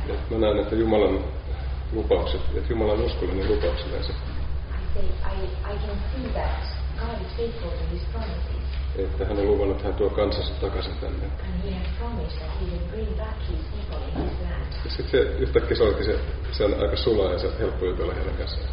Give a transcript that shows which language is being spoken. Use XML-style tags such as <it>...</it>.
<fi>Mä näen, että Jumalan lupaukset, että Jumala on uskollinen lupauksille.</fi> <en>I can see that God is faithful to his promises.</en> <fi>Että hän on luvannut, että hän tuo kansansa takaisin tänne.</fi> <en>And he has promised that he will bring back his people in his land.</en> <fi>Ja sitten se yhtäkkiä sanoikin, että se on aika sulaa ja se on helppo jutella heidän kanssaan.</fi>